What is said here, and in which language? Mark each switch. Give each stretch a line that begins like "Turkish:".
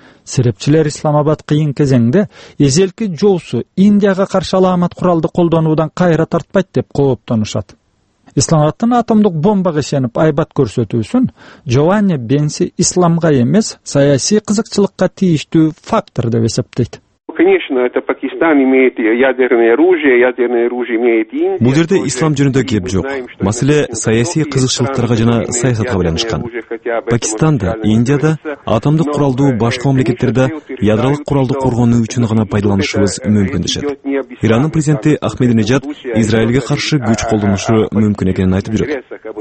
Kyrgyz: Серепчилер Исламабад кыйын кезеңде эзелки жоосу Индияга каршы аламат куралды колдонуудан кайра тартпайт деп кооптонушат. Исламабадтын атомдук бомбага ишенип айбат көрсөтүүсүн Джованни Бенси исламга эмес, саясий кызыкчылыкка тийиштүү фактор деп эсептейт.
Russian: Конечно, это Пакистан имеет ядерное оружие имеет Индия.
Kyrgyz: Бул жерде ислам жөнүндө кеп жок. Маселе саясий кызыкчылыктарга жана саясатка байланышкан. Пакистанда, Индияда атомдук куралдуу башка мамлекеттерде ядролук куралды коргонуу үчүн гана пайдаланышыбыз мүмкүн дешет. Ирандын президенти Ахмединижад Израилге каршы күч колдонушу мүмкүн экенин айтып жүрөт.